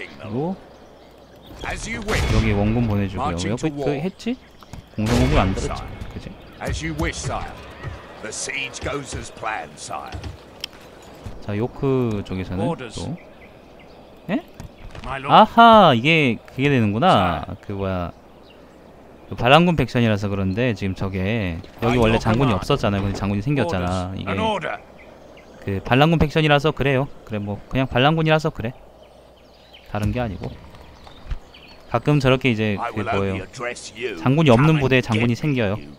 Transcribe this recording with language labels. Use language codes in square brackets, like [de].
[ko] 그리고 여기 원군 보내주고요. 여기 그 했지? 공성공군 안 들었지? 그치? [en] As you wish, sire. The siege goes as planned, sire. [ko] 자, 요크 쪽에서는 또 예? 아하, 이게 그게 되는구나. 그 뭐야, 반란군 팩션이라서 그런데 지금 저게 여기 원래 장군이 없었잖아요. 근데 장군이 생겼잖아. 이게 그 반란군 팩션이라서 그래요. 그래, 뭐 그냥 반란군이라서 그래. 다른 게 아니고 가끔 저렇게 이제 그 뭐예요, 장군이 없는 부대에 장군이 생겨요.